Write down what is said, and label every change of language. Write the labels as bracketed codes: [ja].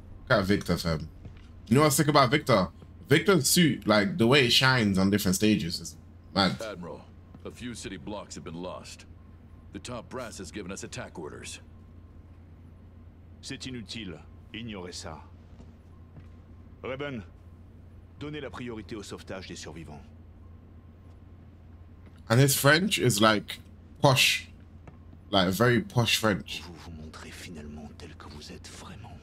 [en] Look at Victor, fam. You know what's sick about Victor? Victor's suit, like the way it shines on different stages, is mad. Admiral, a few city blocks have been lost. The top brass has given us attack orders. [fr] C'est inutile. Ignorez ça. Reben, donnez la priorité au sauvetage des survivants. [en] And his French is like posh, like very posh French. [fr] Vous vous montrez finalement tel que vous êtes vraiment.